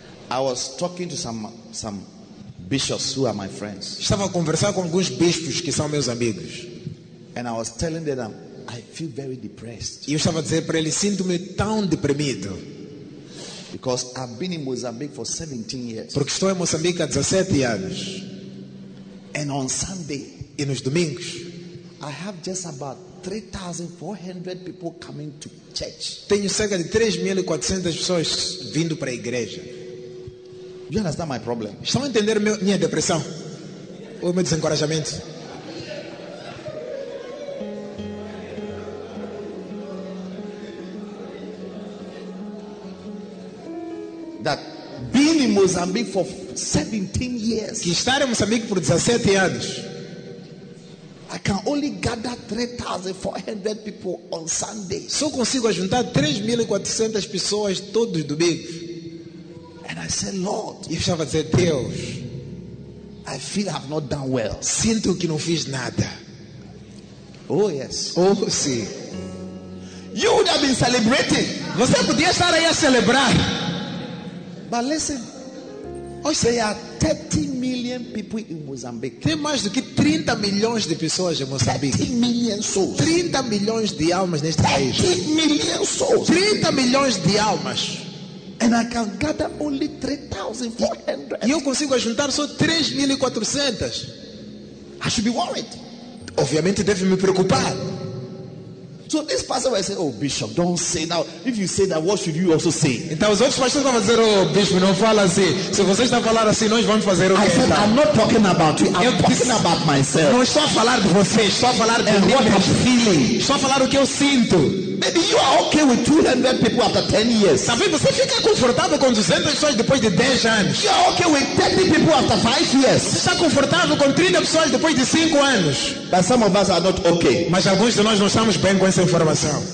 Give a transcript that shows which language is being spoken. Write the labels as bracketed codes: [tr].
[en] I was talking to some bishops who are my friends. [pt] Estava a conversar com alguns bispos que são meus amigos. [en] And I was telling them, I feel very depressed. [pt] E eu estava a dizer para eles, sinto-me tão deprimido. [en] Because I've been in Mozambique for 17 years. [pt] Porque estou em Moçambique há 17 anos. [en] And on Sunday, [pt] e nos domingos, [en] I have just about 3,400 people coming to church. [pt] Tenho cerca de 3,400 pessoas vindo para a igreja. [en] You understand my problem? [pt] Estão a entender minha depressão? Ou meu desencorajamento? [en] That being in Mozambique for 17 years. [pt] Que estar em Moçambique por 17 anos. [en] I can only gather 3,400 people on Sunday. [pt] Só consigo juntar 3,400 pessoas todos os domingos. [en] And I said, Lord, [pt] eu estava a dizer, Deus, [en] I feel I've not done well. [pt] Sinto que não fiz nada. [en] Oh yes. [pt] Oh sim. [en] You would have been celebrating. [pt] Você podia estar aí a celebrar. [en] But listen, there are 30 million people in Mozambique. [pt] Tem mais do que 30 milhões de pessoas em Moçambique. [en] 30 million souls. [pt] 30 milhões de almas neste país. [en] 30 million souls. [pt] 30 milhões de almas. [en] And I can gather only 3,400. [pt] E eu consigo juntar só 3,400. [en] I should be worried. [pt] Obviamente deve me preocupar. [en] So this pastor will say, oh bishop, don't say now. If you say that, what should you also say? [pt] Então os outros pastores vão dizer, oh bispo, não fala assim. Se você está a falar assim, nós vamos fazer o quê? [en] I said, I'm not talking about you. I'm talking about myself. [pt] Não estou a falar de você. Estou a falar de [en] what I'm feeling. [pt] Estou a falar o que eu sinto. [en] Maybe you are okay with 200 people after 10 years. [pt] Talvez você fica confortável com 200 pessoas depois de 10 anos. [en] You are okay with 30 people after 5 years. [pt] Você está confortável com 30 pessoas depois de 5 anos. [en] But some of us are not okay. [pt] Mas alguns de nós não estamos bem com essa informação.